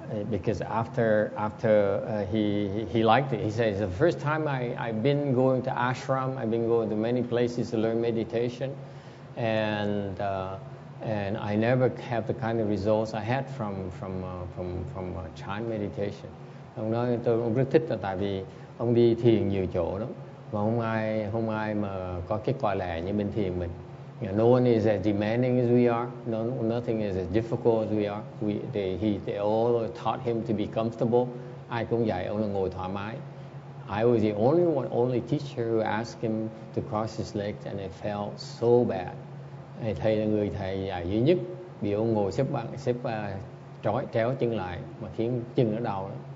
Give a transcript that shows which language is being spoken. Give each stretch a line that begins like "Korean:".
English: Because after he liked it, he said, "It's the first time I've been going to ashram. I've been going to many places to learn meditation, and I never have the kind of results I had from chan meditation."
Vietnamese: Ông nói tôi ông rất thích là tại vì ông đi thiền nhiều chỗ lắm mà không ai mà có kết quả lẻ như bên thiền mình.
English: You know, no one is as demanding as we are. No, nothing is as difficult as we are. They all taught him to be comfortable.
Vietnamese: Ai cũng dạy ông là ngồi thoải mái.
English: I was the only teacher who asked him to cross his legs, and it felt so bad.
Vietnamese: Thầy là người thầy dạy duy nhất vì ông ngồi xếp trói chéo chân lại mà khiến chân nó đau.